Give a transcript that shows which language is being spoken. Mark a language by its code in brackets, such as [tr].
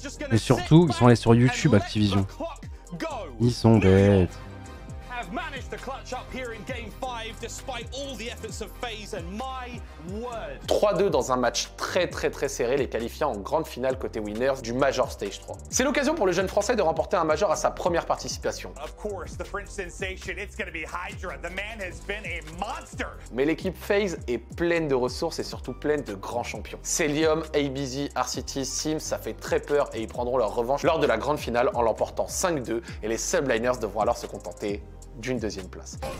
[fr] Et surtout, ils sont allés sur YouTube Activision. Ils sont bêtes. [en] managed to clutch up here in game 5 despite all the efforts of FaZe and my word. [fr] 3-2 dans un match très très très serré, les qualifiant en grande finale côté winners du Major Stage 3. C'est l'occasion pour le jeune français de remporter un Major à sa première participation. [en] Of course, the French sensation, it's gonna be Hydra. The man has been a monster. [fr] Mais l'équipe FaZe est pleine de ressources et surtout pleine de grands champions. Celium, ABZ, RCT, Sims, ça fait très peur et ils prendront leur revanche lors de la grande finale en l'emportant 5-2 et les Subliners devront alors se contenter d'une deuxième place.